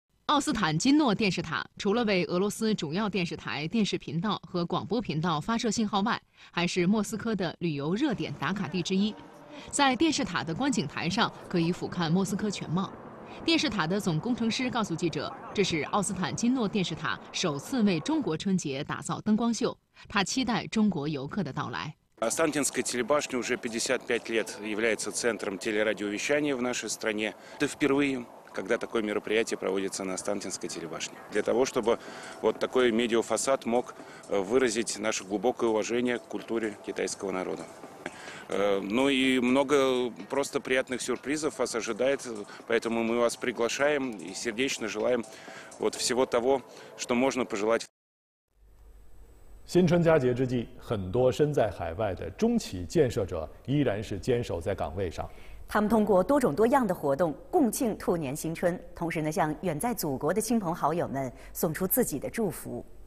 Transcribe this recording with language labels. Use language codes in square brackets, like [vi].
[zh] 奥斯坦金诺电视塔除了为俄罗斯主要电视台电视频道和广播频道发射信号外，还是莫斯科的旅游热点打卡地之一。在电视塔的观景台上可以俯瞰莫斯科全貌。电视塔的总工程师告诉记者，这是奥斯坦金诺电视塔首次为中国春节打造灯光秀，他期待中国游客的到来。 [ru] Останкинская телебашня уже 55 лет является центром телерадиовещания в нашей стране. Это впервые, когда такое мероприятие проводится на Останкинской телебашне. Для того, чтобы вот такой медиафасад мог выразить наше глубокое уважение к культуре китайского народа. Ну и много просто приятных сюрпризов вас ожидает, поэтому мы вас приглашаем и сердечно желаем вот всего того, что можно пожелать. [zh] 新春佳节之际，很多身在海外的中企建设者依然是坚守在岗位上。他们通过多种多样的活动共庆兔年新春，同时呢，向远在祖国的亲朋好友们送出自己的祝福。